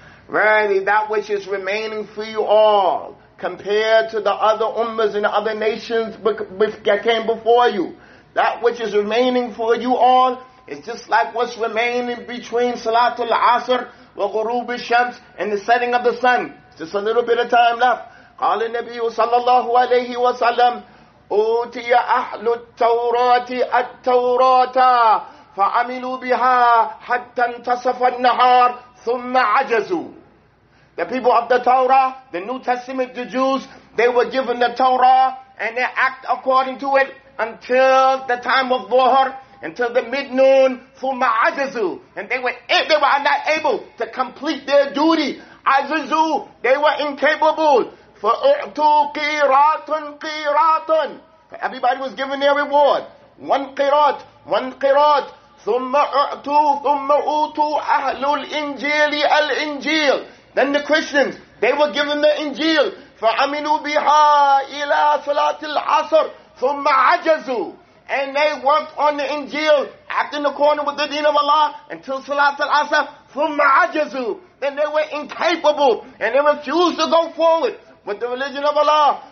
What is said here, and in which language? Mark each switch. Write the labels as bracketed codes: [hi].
[en] Verily, that which is remaining for you all compared to the other ummas and other nations that came before you, that which is remaining for you all is just like what's remaining between Salat al-Asr wa Ghurub al-Shams and the setting of the sun. Just a little bit of time left. [ar] قال النبي صلى الله عليه وسلم أوتي أهل التوراة التوراة فعملوا بها حتى انتصف النهار ثم عجزوا. [en] The people of the Torah, the New Testament, the Jews, they were given the Torah and they act according to it until the time of Dhuhr, until the mid-noon, [ar] ثم عجزوا. [en] And they were not able to complete their duty. عجزوا, they were incapable. [ar] فأعطوا قيراتٌ قيراتٌ. [en] Everybody was given their reward. One قيرات. [ar] ثم أعطوا أهل الإنجيل الإنجيل. [en] Then the Christians, they were given the Injil. [ar] فَعَمِلُوا بِهَا إِلَىٰ صَلَاةِ الْعَصْرِ ثُمَّ عَجَزُوا. [en] And they worked on the Injil, acting according with the deen of Allah, until [ar] صَلَاةِ الْعَصْرِ ثُمَّ عَجَزُوا. [en] Then they were incapable, and they refused to go forward with the religion of Allah.